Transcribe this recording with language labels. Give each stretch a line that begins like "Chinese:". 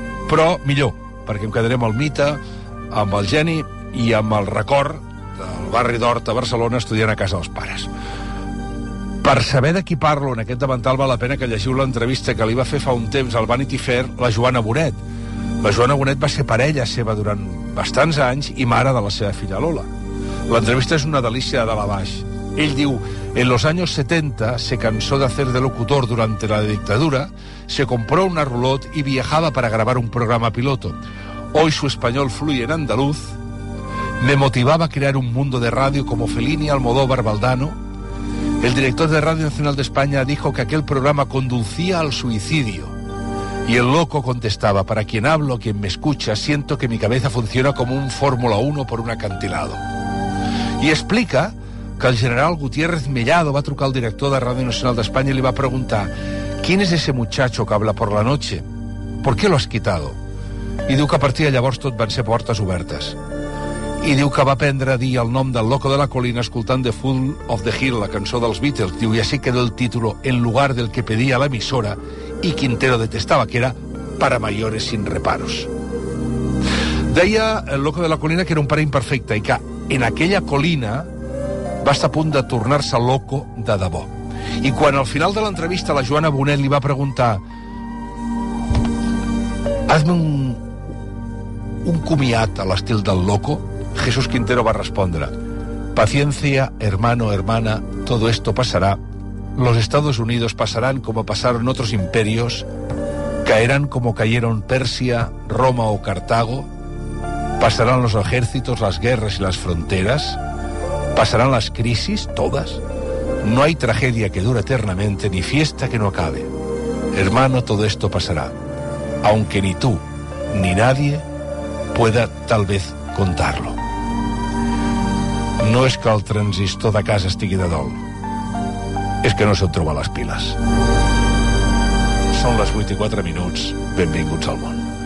Catalan: Però millor, perquè em quedarem al mite, amb el geni i amb el record del barri d'Hort a Barcelona estudiant a casa dels pares. Per saber de qui parlo en aquest davantal, val la pena que llegiu l'entrevista que li va fer fa un temps al Vanity Fair la Joana Bonet. La Joana Bonet va ser parella seva durant bastants anys i mare de la seva filla Lola. L'entrevista és una delícia de la baix. Ell diu:
Spanish: en los años 70 se cansó de hacer de locutor durante la dictadura, se compró una roulotte y viajaba para grabar un programa piloto. Hoy su español fluye en andaluz. Me motivaba a crear un mundo de radio como Fellini, Almodóvar, Valdano. El director de Radio Nacional de España dijo que aquel programa conducía al suicidio. Y el Loco contestaba: para quien hablo, quien me escucha, siento que mi cabeza funciona como un Fórmula 1 por un acantilado. Y explica que el general Gutiérrez Mellado va a trucar al director de Radio Nacional de España y le va a preguntar: ¿quién es ese muchacho que habla por la noche? ¿Por qué lo has quitado?
Catalan: Y diu que a partir de llavors tot van ser portes obertes. I diu que va aprendre a dir el nom del Loco de la Colina escoltant The Fool of the Hill, la cançó dels Beatles. Diu:
Spanish: y así quedó el título en lugar del que pedía la emisora y Quintero detestaba, que era Para mayores sin reparos.
Catalan: Deia el Loco de la Colina que era un pare imperfecte i que en aquella colina va estar a punt de tornar-se loco de debò. I quan al final de l'entrevista la Joana Bonet li va preguntar:
Spanish: hazme
Catalan: un comiat a l'estil del Loco, Jesús Quintero va respondre:
Spanish: paciencia, hermano, hermana, todo esto pasará. Los Estados Unidos pasarán como pasaron otros imperios, caerán como cayeron Persia, Roma o Cartago, pasarán los ejércitos, las guerras y las fronteras, pasarán las crisis, todas. No hay tragedia que dure eternamente ni fiesta que no acabe. Hermano, todo esto pasará, aunque ni tú ni nadie pueda tal vez contarlo.
Catalan: no és que el transistor de casa estigui de dol. És que no se't troba les piles. Són les 8 i 4 minuts. Benvinguts al món.